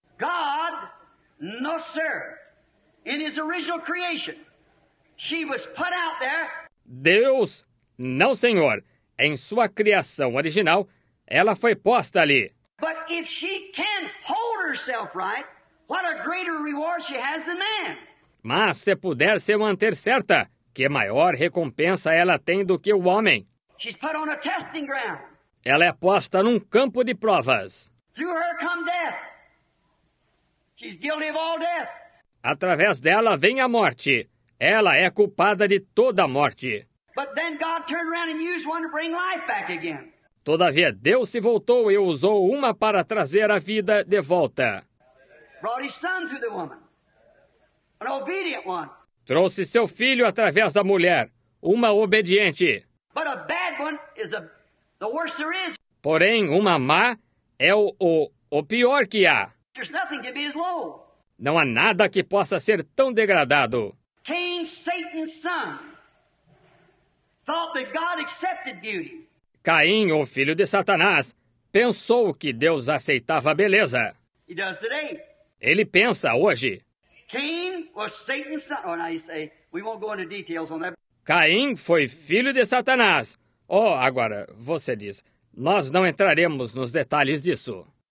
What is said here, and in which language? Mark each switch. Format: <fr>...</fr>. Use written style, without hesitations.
<en>God, no sir, in his original creation, she was put out there.</en> <pt>Deus, não senhor, em sua criação original, ela foi posta ali.</pt> <en>But if she can hold herself right, what a greater reward she has than man.</en> <pt>Mas se puder se manter certa, que maior recompensa ela tem do que o homem.</pt> <en>She's put on a testing ground.</en> <pt>Ela é posta num campo de provas.</pt> <en>Through her come death. She's guilty of all death.</en> <pt>Através dela vem a morte. Ela é culpada de toda a morte.</pt> <en>But then God turned around and used one to bring life back again.</en> <pt>Todavia, Deus se voltou e usou uma para trazer a vida de volta.</pt> <en>Brought his son through the woman. An obedient one.</en> <pt>Trouxe seu filho através da mulher, uma obediente.</pt> <en>But a bad one is the worst there is.</en> <pt>Porém, uma má é o pior que há.</pt> <en>There's nothing can be as low.</en> <pt>Não há nada que possa ser tão degradado.</pt> <en>Cain, Satan's son, thought that God accepted beauty.</en> <pt>Caim, o filho de Satanás, pensou que Deus aceitava a beleza.</pt> <en>He does today.</en> <pt>Ele pensa hoje.</pt> <en>Cain was Satan's son. Oh, now you say, we won't go into details on that.</en> <pt>Caim foi filho de Satanás. Oh, agora, você diz, nós não entraremos nos detalhes disso.</pt>